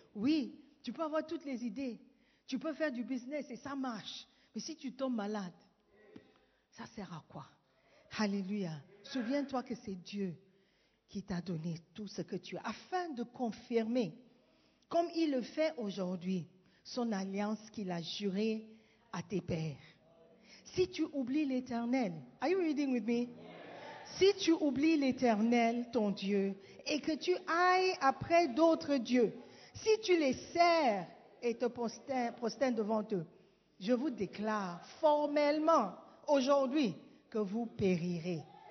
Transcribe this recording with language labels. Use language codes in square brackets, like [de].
[fr] Oui, tu peux avoir toutes les idées, tu peux faire du business et ça marche, mais si tu tombes malade, ça sert à quoi? Alléluia. Souviens-toi que c'est Dieu qui t'a donné tout ce que tu as, afin de confirmer, comme il le fait aujourd'hui, son alliance qu'il a jurée à tes pères. Si tu oublies l'Éternel, [en] are you reading with me? [fr] Si tu oublies l'Éternel, ton Dieu, et que tu ailles après d'autres dieux, si tu les sers et te prosternes devant eux, je vous déclare formellement aujourd'hui que vous périrez.